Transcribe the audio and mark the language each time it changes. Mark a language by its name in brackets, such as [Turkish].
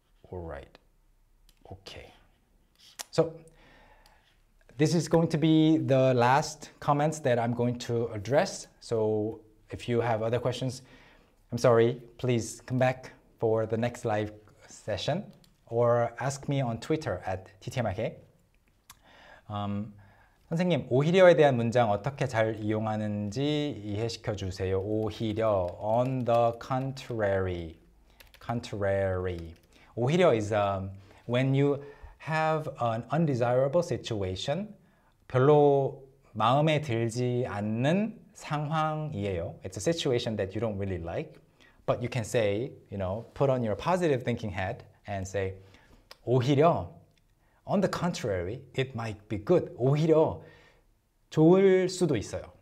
[English] All right. Okay. So this is going to be the last comments that I'm going to address. So if you have other questions, I'm sorry, please come back for the next live session or ask me on Twitter at TTMIK. [Korean] 선생님, 오히려에 대한 문장 어떻게 잘 이용하는지 이해시켜 주세요. [English] 오히려, on the contrary. Contrary. 오히려 is when you have an undesirable situation, [Korean] 별로 마음에 들지 않는 상황이에요. [English] It's a situation that you don't really like. But you can say, you know, put on your positive thinking hat and say, 오히려, on the contrary, it might be good. [Korean] 오히려 좋을 수도 있어요.